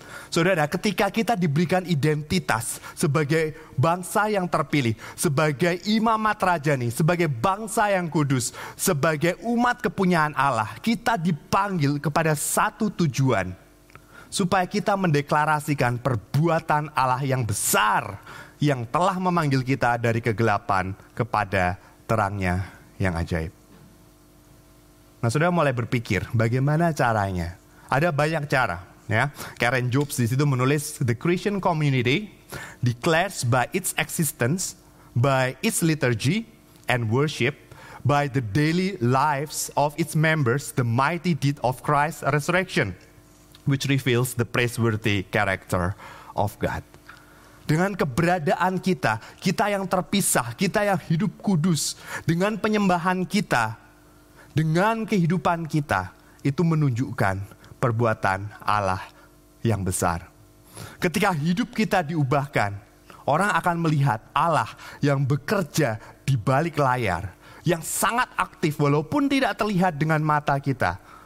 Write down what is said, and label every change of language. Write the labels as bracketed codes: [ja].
[id] Saudara, ketika kita diberikan identitas sebagai bangsa yang terpilih, sebagai imamat rajani, sebagai bangsa yang kudus, sebagai umat kepunyaan Allah, kita dipanggil kepada satu tujuan. Supaya kita mendeklarasikan perbuatan Allah yang besar yang telah memanggil kita dari kegelapan kepada terang-Nya yang ajaib. Nah, saudara mulai berpikir bagaimana caranya? Ada banyak cara. Ya, Karen Jobs di situ menulis, [en] the Christian community declares by its existence, by its liturgy and worship, by the daily lives of its members, the mighty deed of Christ's resurrection, which reveals the praiseworthy character of God. [id] Dengan keberadaan kita, kita yang terpisah, kita yang hidup kudus, dengan penyembahan kita, dengan kehidupan kita, itu menunjukkan perbuatan Allah yang besar. Ketika hidup kita diubahkan, orang akan melihat Allah yang bekerja di balik layar, yang sangat aktif walaupun tidak terlihat dengan mata kita.